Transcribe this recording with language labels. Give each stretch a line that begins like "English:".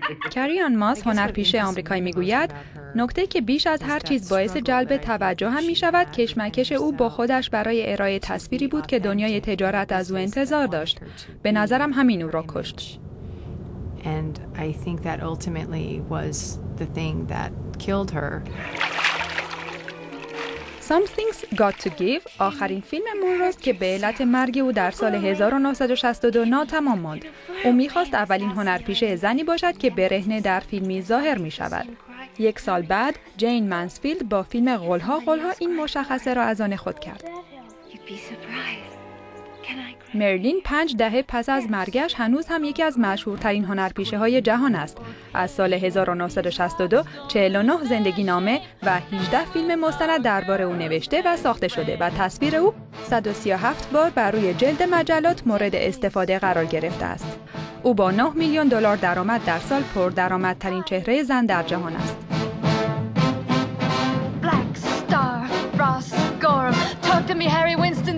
Persian: کریان ماس، هنرپیشه آمریکایی، می گوید نکته که بیش از هر چیز باعث جلب توجه هم می شود کشمکش او با خودش برای ارائه تصویری بود که دنیای تجارت از او انتظار داشت. به نظرم همین او را کشت.
English: And I think that ultimately was the thing that killed her.
Persian: Something's Got to Give آخرین فیلم مونرو است که به علت مرگ او در سال 1962 ناتمام ماند. او می‌خواست اولین هنرپیشه زنی باشد که برهنه در فیلمی ظاهر می‌شود. یک سال بعد جین منسفیلد با فیلم قلها قلها این مشخصه را از آن خود کرد. مرلین 5 دهه پس از مرگش هنوز هم یکی از مشهورترین هنرپیشه‌های جهان است. از سال 1962 49 زندگی نامه و 18 فیلم مستند درباره او نوشته و ساخته شده و تصویر او 137 بار بر روی جلد مجلات مورد استفاده قرار گرفته است. او با 9 میلیون دلار درآمد در سال پردرآمدترین چهره زن در جهان است.
English: Black Star, Ross Gorham, talk to me, Harry Winston.